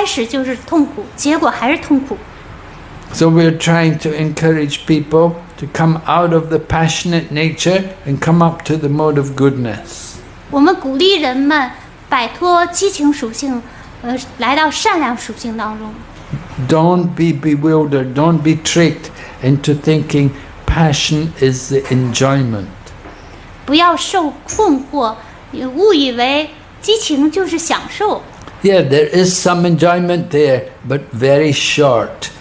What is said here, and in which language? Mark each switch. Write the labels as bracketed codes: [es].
[zh] 愚昧属性的快乐呢，一开始就是痛苦，结果还是痛苦。 [en] So we're trying to encourage people to come out of the passionate nature and come up to the mode of goodness. [zh] 我们鼓励人们摆脱激情属性，来到善良属性当中。 [en] Don't be bewildered, don't be tricked into thinking passion is the enjoyment. [zh] 不要受困惑，误以为激情就是享受。 [en] Yeah, there is some enjoyment there, but very short.